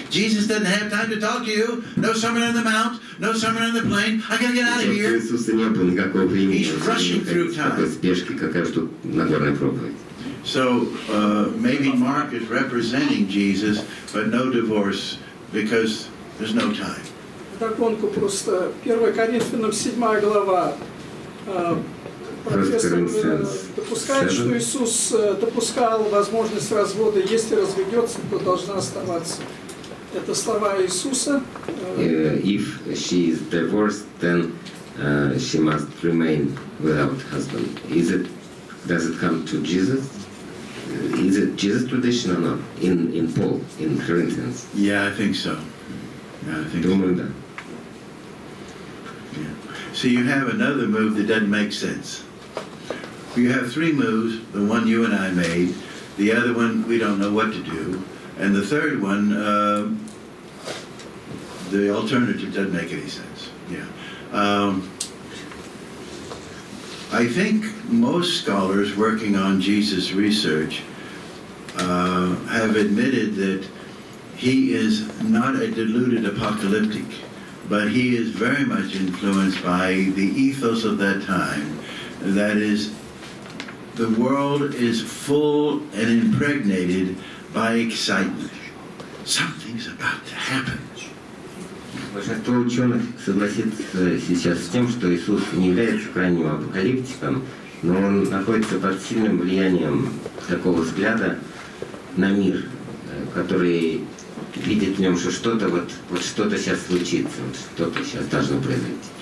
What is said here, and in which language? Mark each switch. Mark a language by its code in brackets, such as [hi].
[en] Jesus doesn't have time to talk to you. No Sermon on the Mount, no Sermon on the Plane. I gotta get out of here. He's rushing through time. So maybe Mark is representing Jesus, but no divorce, because there's no time. [ru] Догонку просто. 1 Коринфянам 7 глава. Профессор допускает, что Иисус допускал возможность развода. Если разведется, то должна оставаться. Это слова Иисуса. [en] If she is divorced, then she must remain without husband. Is it, does it come to Jesus? Is it Jesus' tradition or not? In Paul, in Corinthians? Yeah, I think so. [ru] Думаю, да. [en] So you have another move that doesn't make sense. You have three moves, the one you and I made, the other one we don't know what to do, and the third one, the alternative doesn't make any sense. Yeah. I think most scholars working on Jesus' research have admitted that he is not a deluded apocalyptic. But he is very much influenced by the ethos of that time. That is, the world is full and impregnated by excitement. Something's about to happen. [ru] Большинство ученых согласится сейчас с тем, что Иисус не является крайним апокалиптиком, но он находится под сильным влиянием такого взгляда на мир, который видит в нем, что что-то вот, вот что-то сейчас случится, вот что-то сейчас должно произойти.